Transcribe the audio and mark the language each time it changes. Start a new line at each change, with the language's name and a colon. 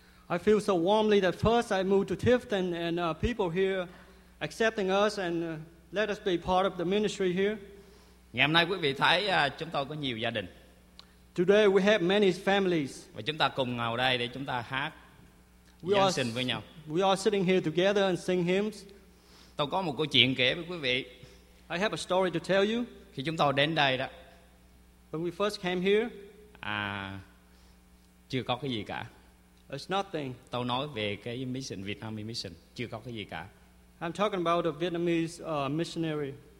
English: I feel so warmly that first I moved to Tifton and people here accepting us and let us be part of the ministry here.
Vietnamese: Ngày hôm nay quý vị thấy chúng tôi có nhiều gia đình.
English: Today we have many families.
Vietnamese: Và chúng ta cùng ngồi đây để chúng ta hát Giáng sinh với nhau.
English: We are sitting here together and sing hymns.
Vietnamese: Tôi có một câu chuyện kể với quý vị.
English: I have a story to tell you.
Vietnamese: Khi chúng tôi đến đây đó.
English: When we first came here.
Vietnamese: Chưa có cái gì cả.
English: It's nothing.
Vietnamese: Tôi nói về cái mission, Vietnam mission, chưa có cái gì cả.
English: I'm talking about a Vietnamese missionary.